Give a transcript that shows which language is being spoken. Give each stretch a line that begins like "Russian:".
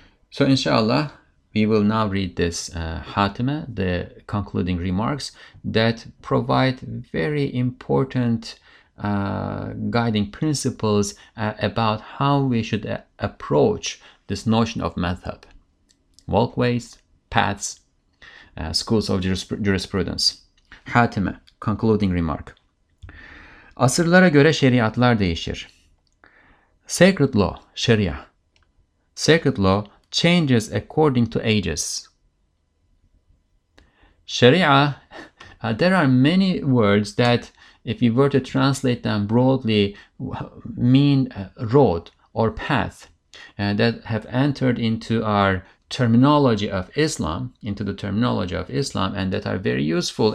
English: So inshallah, we will now read this Hatima, the concluding remarks that provide very important guiding principles about how we should approach this notion of madhab, walkways, paths, schools of jurisprudence. Hatime, concluding remark.
Turkish: Asırlara göre şeriatlar değişir.
English: Sacred law, sharia. Sacred law changes according to ages. Sharia, there are many words that, if you were to translate them broadly, mean road or path, that have entered into our terminology of Islam, into the terminology of Islam, and that are very useful.